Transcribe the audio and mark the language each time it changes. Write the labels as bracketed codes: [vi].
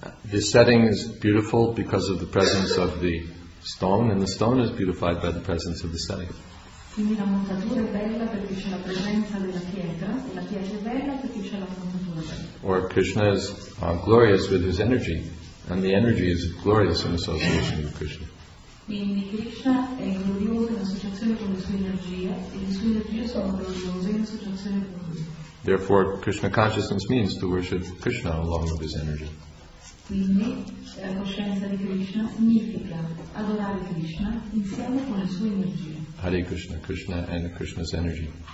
[en] The setting is beautiful because of the presence of the stone, and the stone is beautified by the presence of the setting. [it] Quindi la montatura è bella perché c'è la presenza della pietra, e la pietra è bella perché c'è la montatura. [en] Or Krishna is glorious with his energy, and the energy is glorious in association with Krishna. [it] Quindi Krishna è glorioso in associazione con le sue energie, e le sue energie sono gloriose in associazione con lui. [en] Therefore, Krishna consciousness means to worship Krishna along with his energy. [it] Quindi la coscienza di Krishna significa adorare Krishna insieme con le sue energie. [en] Hare Krishna, Krishna and Krishna's energy.